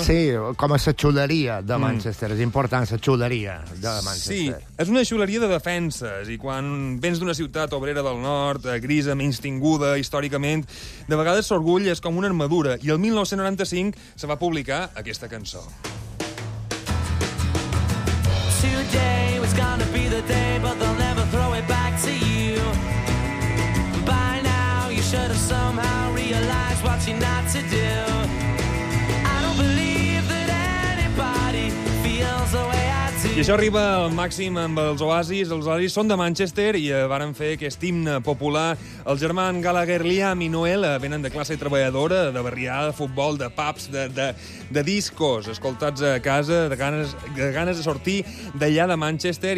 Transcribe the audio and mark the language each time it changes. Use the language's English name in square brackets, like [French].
[Catalan] Sí, com a la xuleria de Manchester. Mm. És important, la xuleria de Manchester. Sí, és una xuleria de defenses. I quan vens d'una ciutat obrera del nord, grisa, menys tinguda històricament, de vegades l'orgull és com una armadura. I el 1995 se va publicar aquesta cançó. [English] Today was gonna be the day, but they'll never throw it back to you. By now, you should have somehow realized what you're not to do. [Catalan] I això arriba al màxim amb els Oasis. Els Oasis són de Manchester i varen fer aquest himne popular. El germà Gallagher, Liam i Noel venen de classe treballadora, de barriada, de futbol, de pubs, de discos, escoltats a casa, de ganes de sortir d'allà de Manchester.